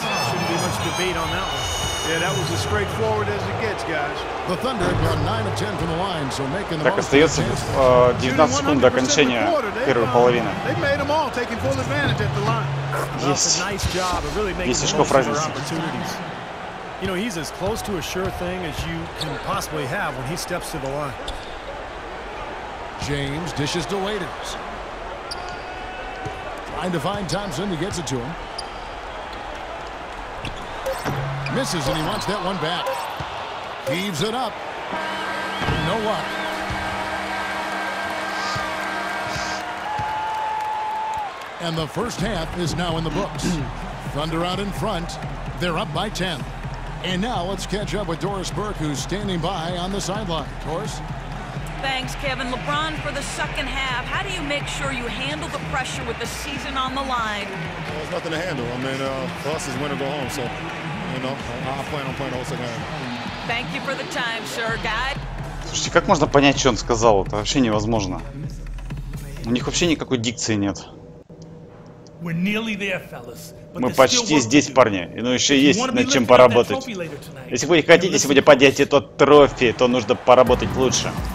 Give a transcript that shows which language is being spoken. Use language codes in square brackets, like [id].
[en] Shouldn't be much debate on that one. Yeah, that was as straightforward as it gets, guys. The Thunder have got 9 of 10 from the line, so making the [ru] так, остается 19 секунд до окончания первой половины. [en] They made them all, taking full advantage at the line. [ru] Есть. [en] Nice job of really making the most of their opportunities. You know, he's as close to a sure thing as you can possibly have when he steps to the line. James dishes to Waiters. And to find Thompson, he gets it to him. Misses, and he wants that one back. Heaves it up. No luck. And the first half is now in the books. Thunder out in front. They're up by 10. And now let's catch up with Doris Burke, who's standing by on the sideline. Doris? Thanks, Kevin. LeBron for the second half. How do you make sure you handle the pressure with the season on the line? Well, there's nothing to handle. I mean, for us, it's win or go home. So, you know, I plan on playing the whole second half. Thank you for the time, sir. Guy? [ru] Слушайте, как можно понять, что он сказал? Это вообще невозможно. У них вообще никакой дикции нет. Мы почти здесь, парни. Но еще есть над чем поработать. Если вы хотите сегодня поднять этот трофей, то нужно поработать лучше.